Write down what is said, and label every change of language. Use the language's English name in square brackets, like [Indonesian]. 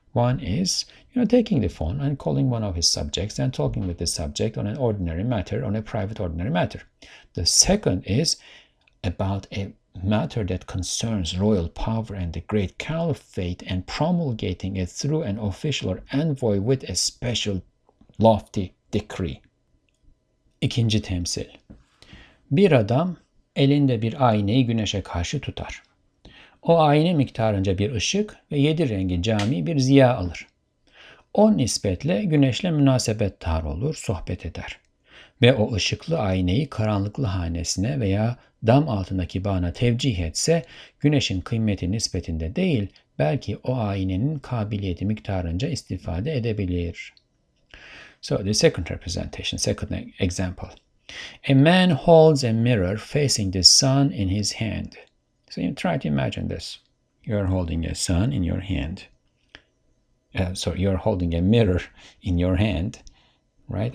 [English] One is, taking the phone and calling one of his subjects and talking with the subject on an ordinary matter, on a private ordinary matter. The second is about a matter that concerns royal power and the great caliphate and promulgating it through an official or envoy with a special lofty decree. [Turkish] İkinci temsil. Bir adam elinde bir aynayı güneşe karşı tutar. O ayna miktarınca bir ışık ve yedi rengi cami bir ziya alır. O nispetle güneşle münasebettar olur, sohbet eder. Ve o ışıklı aynayı karanlıklı hanesine veya dam altındaki bağına tevcih etse, güneşin kıymeti nispetinde değil, belki o aynenin kabiliyeti miktarınca istifade edebilir. [English] So the second representation, second example. A man holds a mirror facing the sun in his hand. So you try to imagine this. You're holding a sun in your hand. You're holding a mirror in your hand, right?